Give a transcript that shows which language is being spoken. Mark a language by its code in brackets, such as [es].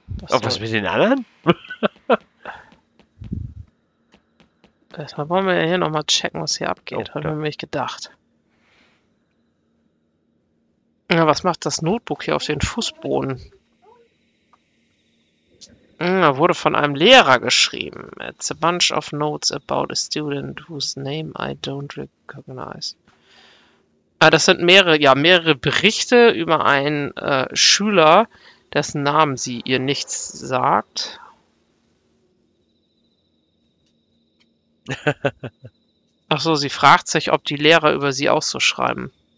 [de] Ach, was mit den anderen? Deshalb wollen wir ja hier nochmal checken, was hier abgeht. Haben wir nämlich gedacht. Ja, was macht das Notebook hier auf den Fußboden? Ja, wurde von einem Lehrer geschrieben. [en] It's a bunch of notes about a student whose name I don't recognize. [de] Ah, das sind mehrere Berichte über einen Schüler, dessen Namen sie ihr nichts sagt. Ach so, sie fragt sich, ob die Lehrer über sie auch so schreiben.